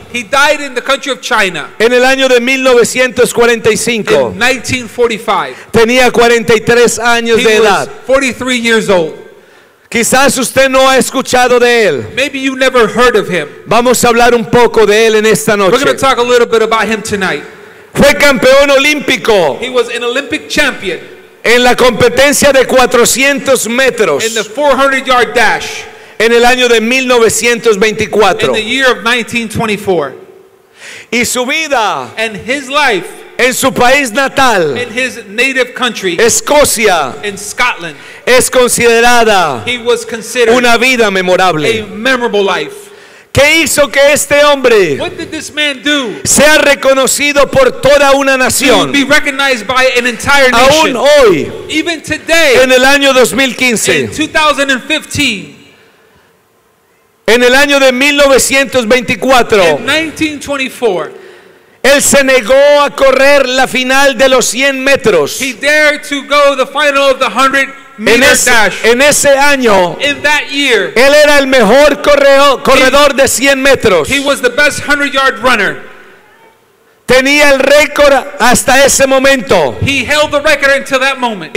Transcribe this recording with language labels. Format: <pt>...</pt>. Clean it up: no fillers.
<en>He died in the country of China.</en> <es>En el año de 1945.</es> <en>In 1945.</en> <es>Tenía 43 años de edad.</es> <en>He was 43 years old.</en> <es>Quizás usted no ha escuchado de él.</es> <en>Maybe you never heard of him.</en> <es>Vamos a hablar un poco de él en esta noche.</es> <en>We're going to talk a little bit about him tonight.</en> <es>Fue campeón olímpico.</es> <en>He was an Olympic champion.</en> <es>En la competencia de 400 metros.</es> <en>In the 400 yard dash.</en> <es>En el año de 1924.</es> <en>In the year of 1924.</en> <es>Y su vida.</es> <en>And his life.</en> <es>En su país natal.</es> <en>In his native country.</en> <es>Escocia.</es> <en>In Scotland.</en> <es>Es considerada.</es> <en>He was considered.</en> <es>Una vida memorable.</es> <en>A memorable life.</en> <es>¿Qué hizo que este hombre</es> <en>what did this man do?</en> <es>Sea reconocido por toda una nación?</es> <en>He would be recognized by an entire nation.</en> <es>Aún hoy,</es> <en>even today,</en> <es>en el año 2015,</es> <en>in 2015,</en> <es>en el año de 1924,</es> <en>in 1924,</en> <es>él se negó a correr la final de los 100 metros.</es> <en>He dared to go the final of the 100</en> <es>En ese año,</es> <en>in that year,</en> <es>él era el mejor corredor de 100 metros.</es> <en>He was the best 100 yard runner.</en> <es>Tenía el récord hasta ese momento.</es> <en>He held the record until that moment.</en>